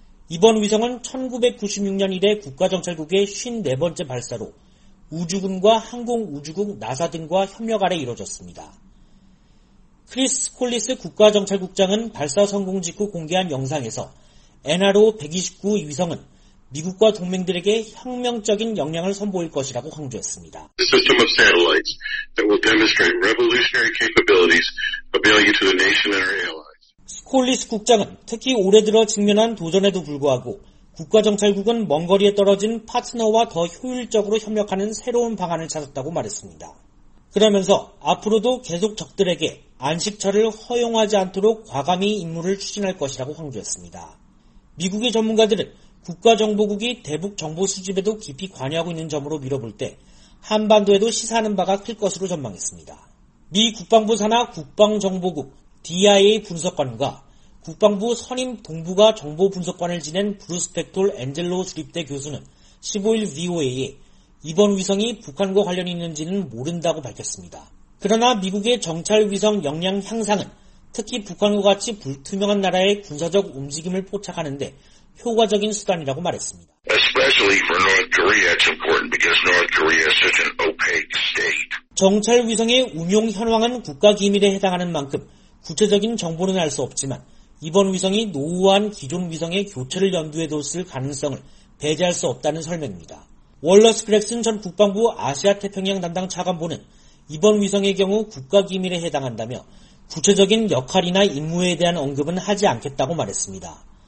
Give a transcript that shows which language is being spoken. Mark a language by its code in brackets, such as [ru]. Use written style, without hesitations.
[ko] 이번 위성은 1996년 이래 국가정찰국의 54번째 발사로 우주군과 항공우주국 나사 등과 협력 아래 이뤄졌습니다. 크리스 콜리스 국가정찰국장은 발사 성공 직후 공개한 영상에서 NRO 129 위성은 미국과 동맹들에게 혁명적인 영향을 선보일 것이라고 강조했습니다. [en] The system of satellites that will demonstrate revolutionary capabilities available to the nation and our allies. [ko] 스콜리스 국장은 특히 올해 들어 직면한 도전에도 불구하고 국가정찰국은 먼 거리에 떨어진 파트너와 더 효율적으로 협력하는 새로운 방안을 찾았다고 말했습니다. 그러면서 앞으로도 계속 적들에게 안식처를 허용하지 않도록 과감히 임무를 추진할 것이라고 강조했습니다. 미국의 전문가들은 국가정보국이 대북 정보 수집에도 깊이 관여하고 있는 점으로 미뤄볼 때 한반도에도 시사하는 바가 클 것으로 전망했습니다. 미 국방부 산하 국방정보국 DIA 분석관과 국방부 선임 동북아 정보분석관을 지낸 브루스 펙톨 엔젤로 주립대 교수는 15일 VOA에 이번 위성이 북한과 관련이 있는지는 모른다고 밝혔습니다. 그러나 미국의 정찰위성 역량 향상은 특히 북한과 같이 불투명한 나라의 군사적 움직임을 포착하는 데 효과적인 수단이라고 말했습니다. [en] Especially for North Korea, it's important because North Korea is such an opaque state. [ko] 정찰위성의 운용 현황은 국가기밀에 해당하는 만큼 구체적인 정보는 알 수 없지만 이번 위성이 노후한 기존 위성의 교체를 염두에 뒀을 가능성을 배제할 수 없다는 설명입니다. 월러스 그렉슨 전 국방부 아시아태평양 담당 차관보는 이번 위성의 경우 국가기밀에 해당한다며 구체적인 역할이나 임무에 대한 언급은 하지 않겠다고 말했습니다.